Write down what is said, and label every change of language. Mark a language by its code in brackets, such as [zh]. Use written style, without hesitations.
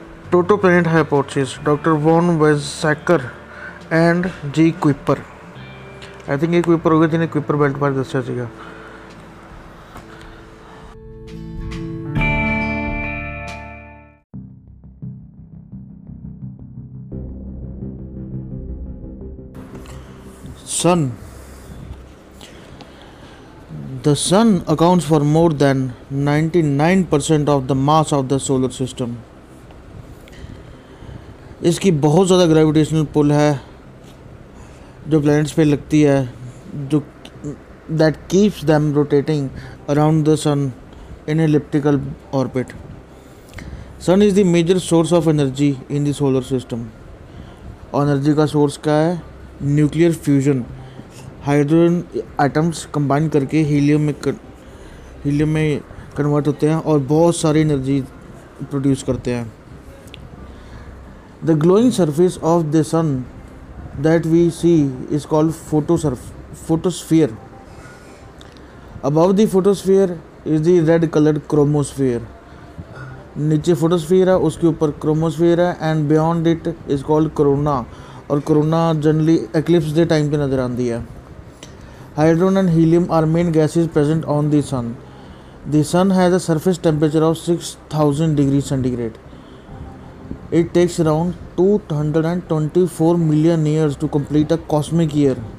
[pa] ਪ੍ਰੋਟੋਪਲੈਨਟ ਹਾਈਪੋਥੀਸਿਸ doctor won ਵੈਜ਼ਸੈਕਰ and ਜੀ ਕੁਇਪਰ [en] I think [pa] ਇਹ ਕੁਇਪਰ ਹੋ ਗਿਆ ਜਿਹਨੇ ਕੁਇਪਰ ਬੈਲਟ ਬਾਰੇ ਦੱਸਿਆ ਸੀਗਾ Sun. [en] The sun accounts for more than 99% of the mass of the solar system. [hi] इसकी बहुत ज़्यादा gravitational pull है जो planets पे लगती है जो [en] that keeps them rotating around the sun in elliptical orbit. Sun is the major source of energy in the solar system. [hi] Energy का source क्या है? [en] Nuclear fusion. [hi] Hydrogen atoms combine करके हीलियम में कन्वर्ट होते हैं और बहुत सारी एनर्जी प्रोड्यूस करते हैं [en] the glowing surface of the sun that we see is called photosphere above the photosphere is the red coloured chromosphere [hi] नीचे फोटोस्फीयर है उसके ऊपर क्रोमोस्फीयर है [en] and beyond it is called corona [hi] और कोरोना जनरली एक्लिप्स के time पर नज़र आती है [en] Hydrogen and helium are main gases present on the sun. The sun has a surface temperature of 6000 degrees centigrade. It takes around 224 million years to complete a cosmic year.